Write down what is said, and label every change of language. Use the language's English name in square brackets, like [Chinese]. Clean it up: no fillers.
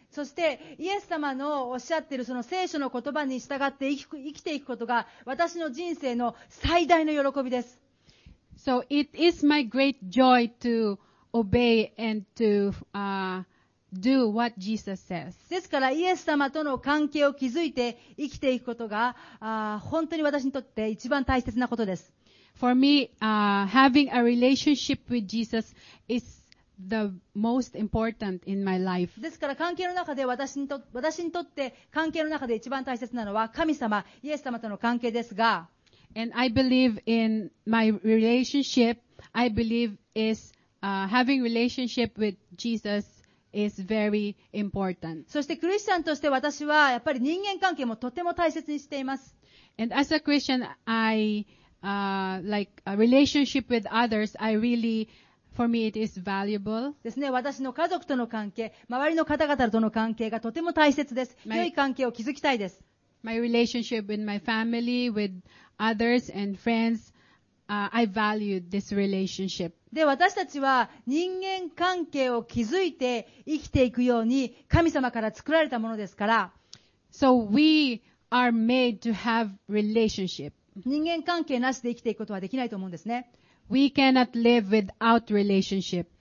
[Japanese] そしてイエス様のおっしゃっているその聖書の言葉に従って生きていくことが私の人生の最大の喜びです。 [English] So it is my great joy to obey and to, do what Jesus says. [Japanese] ですからイエス様との関係を築いて生きていくことが本当に私にとって一番大切なことです。 [English] For me, having a relationship with Jesus is the most important in my life. [Japanese] ですから関係の中で私にとって関係の中で一番大切なのは神様、イエス様との関係ですが、 [English] And I believe in my relationship. I believe is having relationship with Jesus is very important. [Japanese] そしてクリスチャンとして私はやっぱり人間関係もとても大切にしています。 [English] And as a Christian, I like a relationship with others, I really, for me, it is valuable. [Japanese] ですね、私の家族との関係、周りの方々との関係がとても大切です。良い関係を築きたいです。 [English] My relationship with my family, with others and friends, I value this relationship. [Japanese] で、私たちは人間関係を築いて生きていくように神様から作られたものですから。 [English] So we are made to have relationship. [Japanese] 人間関係なしで生きていくことはできないと思うんですね。 [English] We cannot live without relationship.